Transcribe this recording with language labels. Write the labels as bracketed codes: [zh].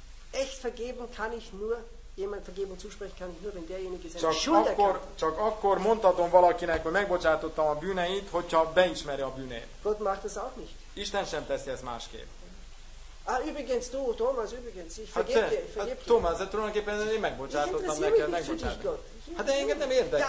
[de] Echt vergeben kann ich nur, jemand vergeben zusprechen kann ich nur, wenn derjenige seine Schuld erkennt. [hu] Csak akkor mondhatom valakinek, hogy megbocsátottam a bűneit, hogyha beismeri a bűnét. [de] Gott macht das auch nicht. [hu] Isten sem teszi ezt másképp. [de] Ah, übrigens du, Thomas, übrigens, ich vergebe dir. [hu] Thomas, de tulajdonképpen én megbocsátottam neked, megbocsátottam. Hát de engem nem érdekel,